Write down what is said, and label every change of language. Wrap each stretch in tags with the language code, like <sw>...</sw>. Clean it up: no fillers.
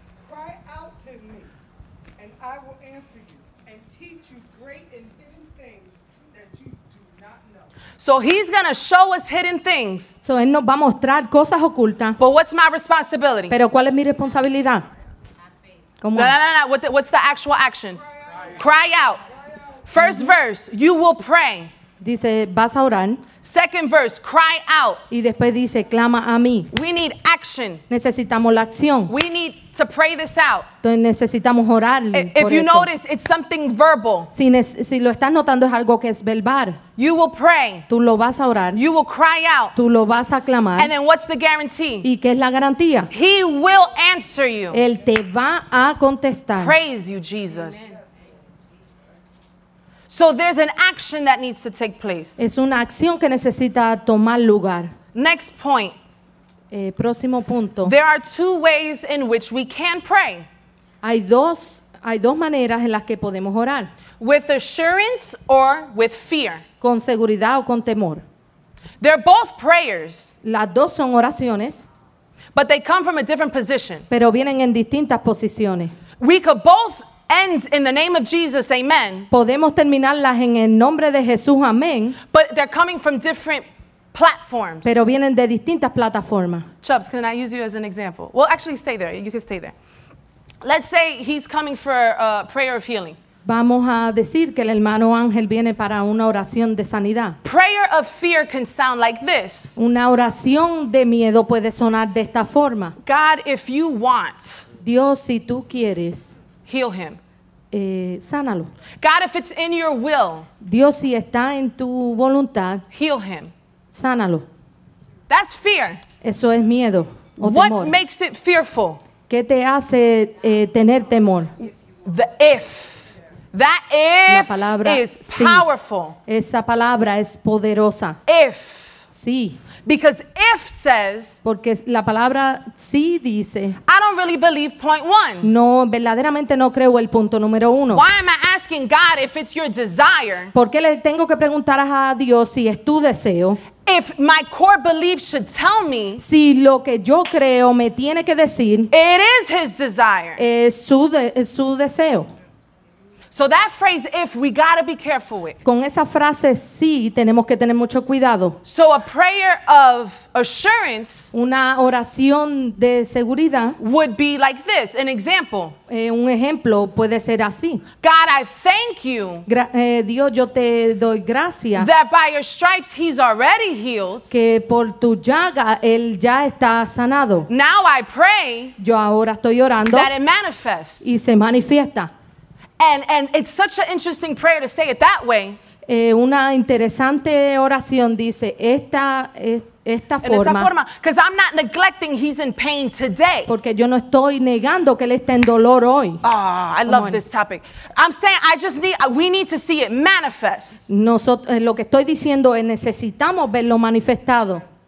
<en>Cry out to me, and I will answer you, and teach you great and hidden things that you do not know. So he's going to show us hidden things.</en> <es>So él nos va a mostrar cosas ocultas.</es> <en>But what's my responsibility?</en> <es>Pero ¿cuál es mi responsabilidad?</es> <en>No. What's the actual action? Cry out. First verse, you will pray.</en> <es>Dice, vas a orar.</es> <en>Second verse, cry out.</en> <es>Y después dice, clama a mí.</es> <en>We need action.</en> <es>Necesitamos la acción.</es> <en>We need to pray this out.</en> <es>Entonces necesitamos orar.</es> <en>If you</en> <es>esto.</es> <en>Notice, it's something verbal.</en> <es>Si lo estás notando, es algo que es verbal.</es> <en>You will pray.</en> <es>Tú lo vas a orar.</es> <en>You will cry out.</en> <es>Tú lo vas a clamar.</es> <en>And then what's the guarantee?</en> <es>¿Y qué es la garantía?</es> <en>He will answer you.</en> <es>Él te va a contestar.</es> <en>Praise you, Jesus. Amen. So there's an action that needs to take place.</en> <es>Es una acción que necesita tomar lugar.</es> <en>Next point.</en> <es>Próximo punto.</es> <en>There are two ways in which we can pray.</en> <es>Hay dos maneras en las que podemos orar.</es> <en>With assurance or with fear.</en> <es>Con seguridad o con temor.</es> <en>They're both prayers.</en> <es>Las dos son oraciones.</es> <en>But they come from a different position.</en> <es>Pero vienen en distintas posiciones.</es> <en>We could both end in the name of Jesus, amen.</en> <es>Podemos terminarlas en el nombre de Jesús, amén.</es> <en>But they're coming from different platforms.</en> <es>Pero vienen de distintas plataformas.</es> <en>Chubbs, can I use you as an example? Well, actually, stay there. You can stay there. Let's say he's coming for a prayer of healing.</en> <es>Vamos a decir que el hermano Ángel viene para una oración de sanidad.</es> <en>Prayer of fear can sound like this.</en> <es>Una oración de miedo puede sonar de esta forma.</es> <en>God, if you want.</en> <es>Dios, si tú quieres.</es> <en>Heal him.</en> <es>Sánalo.</es> <en>God, if it's in your will.</en> <es>Dios, si está en tu voluntad.</es> <en>Heal him.</en> <es>Sánalo.</es> <en>That's fear.</en> <es>Eso es miedo o</es> <en>what</en> <es>temor.</es> <en>What makes it fearful?</en> <es>¿Qué te hace tener temor?</es> <en>The if. That if</en> <es>la palabra,</es> <en>is powerful.</en> <es>Sí. Esa palabra es poderosa.</es> <en>If.</en> <es>Sí.</es> <en>Because if says,</en> <es>porque la palabra sí dice,</es> <en>I don't really believe point one.</en> <es>No, verdaderamente no creo el punto número uno.</es> <en>Why am I asking God if it's your desire?</en> <es>¿Por qué le tengo que preguntar a Dios si es tu deseo?</es> <en>If my core belief should tell me,</en> <es>si lo que yo creo me tiene que decir,</es> <en>it is his desire.</en> <es>Es su deseo.</es> <en>So that phrase, if, we got to be careful with.</en> <es>Con esa frase, sí, tenemos que tener mucho cuidado.</es> <en>So a prayer of assurance,</en> <es>una oración de seguridad,</es> <en>would be like this, an example.</en> <es>Un ejemplo puede ser así.</es> <en>God, I thank you.</en> <es>Dios, yo te doy gracias.</es> <en>That by your stripes, he's already healed.</en> <es>Que por tu llaga, él ya está sanado.</es> <en>Now I pray.</en> <es>Yo ahora estoy orando.</es> <en>That it manifests.</en> <es>Y se manifiesta.</es> <en>And it's such an interesting prayer to say it that way.</en> <es>Una interesante oración dice esta forma. En esa forma,</es> <en>because I'm not neglecting he's in pain today.</en> <es>Porque yo no estoy negando que él esté en dolor hoy.</es> <en>I love this topic. I'm saying we need to see it manifest.</en> <es>Lo que estoy diciendo es necesitamos verlo manifestado.</es>